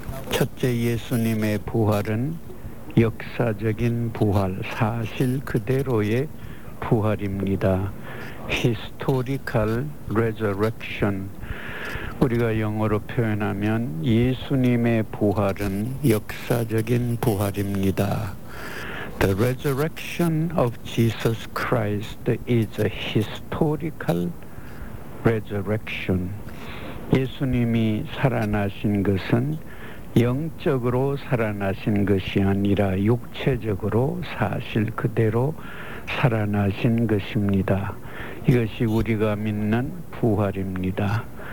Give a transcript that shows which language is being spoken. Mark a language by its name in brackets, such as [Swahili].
[Korean] 첫째, 예수님의 부활은 역사적인 부활, 사실 그대로의 부활입니다. [English] Historical Resurrection. [Korean] 우리가 영어로 표현하면 예수님의 부활은 역사적인 부활입니다. [English] The resurrection of Jesus Christ is a historical resurrection. [Korean] 예수님이 살아나신 것은 영적으로 살아나신 것이 아니라 육체적으로 사실 그대로 살아나신 것입니다. 이것이 우리가 믿는 부활입니다.